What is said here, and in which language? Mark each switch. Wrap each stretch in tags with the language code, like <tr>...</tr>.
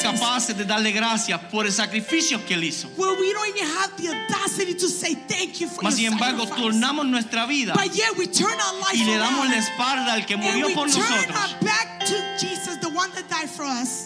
<es>capaces de darle gracias por el sacrificio que él hizo.</es> <en>Well, we don't even have the audacity to say thank you for</en> <es>Mas sin embargo,</es> <en>sacrifice.</en> <es>Tornamos nuestra vida.</es> <en>But yet we turn our life</en> <es>y le damos la espalda al que murió por nosotros.</es> <en>And we turn our back to Jesus, the one that died for us.</en>